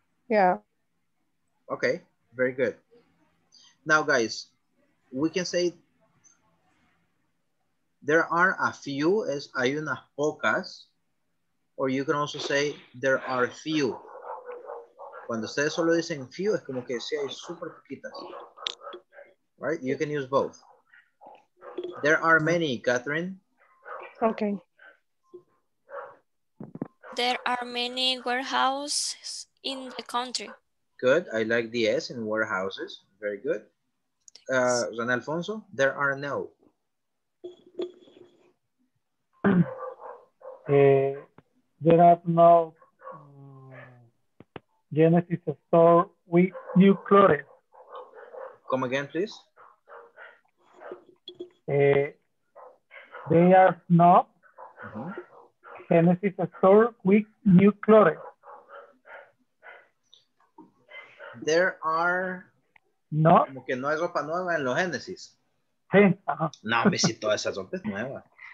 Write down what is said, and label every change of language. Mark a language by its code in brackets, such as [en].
[en] Yeah. Okay, very good. Now guys, we can say there are a few as [es] hay unas pocas, [en] or you can also say there are few. [es] Cuando ustedes solo dicen few, es como que sí hay súper poquitas. [en] Right? You can use both. There are many, Catherine. Okay. There are many warehouses in the country. Good. I like the S in warehouses. Very good. Juan Alfonso, there are no. There are no Genesis store with new clothes. Come again, please. They are not Genesis store with new clothes. There are no, [es] como que no hay ropa nueva en los Genesis. Sí, ajá. No, me si toda esa ropa es nueva.